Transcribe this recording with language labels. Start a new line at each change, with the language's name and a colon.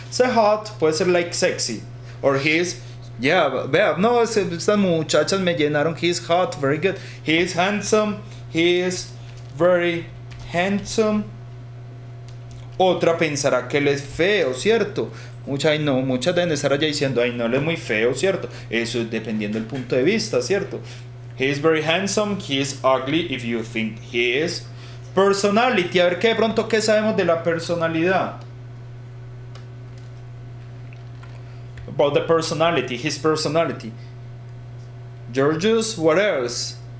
English: Say hot
Spanish: puede ser
English: like sexy. Or he is, yeah,
Spanish: vea, no, estas muchachas me llenaron.
English: He is hot, very good. He is handsome. He is very handsome.
Spanish: Otra pensará que él es feo, ¿cierto? Muchas deben estar allá diciendo, ay, no, él es muy feo, ¿cierto? Eso es dependiendo del punto de vista, ¿cierto?
English: He is very handsome. He is ugly if you think he is.
Spanish: Personality, a ver qué de pronto, qué sabemos de la personalidad.
English: About the personality, his personality. Georgius, what else?